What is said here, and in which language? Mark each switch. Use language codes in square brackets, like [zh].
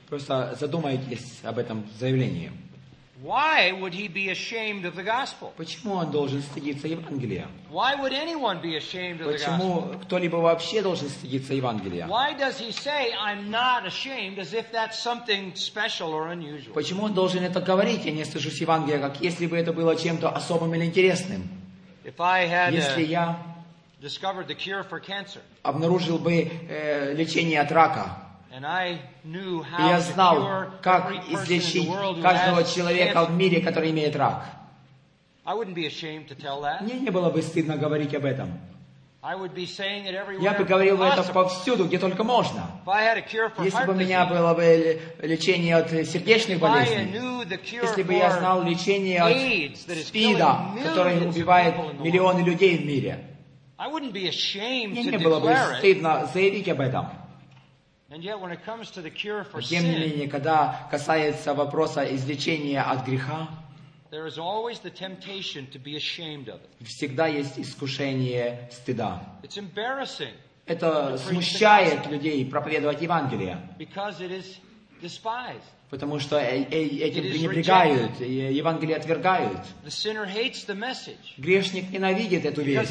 [ru] Просто задумайтесь об этом заявлении. [en] Why would he be ashamed of the gospel? [ru] Почему он должен стыдиться Евангелия? [en] Why would anyone be ashamed of the gospel? [ru] Почему кто-либо вообще должен стыдиться Евангелия? [en] Why does he say I'm not ashamed as if that's something special or unusual? [ru] Почему он должен это говорить, я не стыжусь Евангелия, как если бы это было чем-то особым или интересным? [en] If I had discovered the cure for cancer. [ru] Обнаружил бы лечение от рака. [en] And I knew how to cure [ru] как излечить каждого человека в мире, который имеет рак. [en] I wouldn't be ashamed to tell that. [ru] Мне не было бы стыдно говорить об этом. [en] I would be saying it everywhere. [ru] Я бы говорил бы это повсюду, где только можно. [en] If I had a cure for [ru] если бы у меня было бы лечение от сердечных болезней, если бы я знал лечение от СПИДа, которое убивает миллионы людей в мире, [en] I wouldn't be ashamed [ru] мне не было бы стыдно заявить об этом. [en] And yet, when it comes to the cure for sin, [ru] тем не менее, когда касается вопроса излечения от греха, [en] there is always the temptation to be ashamed of it. [ru] Всегда есть искушение стыда. [en] It's embarrassing. [ru] Это смущает людей проповедовать Евангелие. [en] Because it is despised. [ru] Потому что этим пренебрегают, Евангелие отвергают. [en] The sinner hates the message. [ru] Грешник ненавидит эту весть.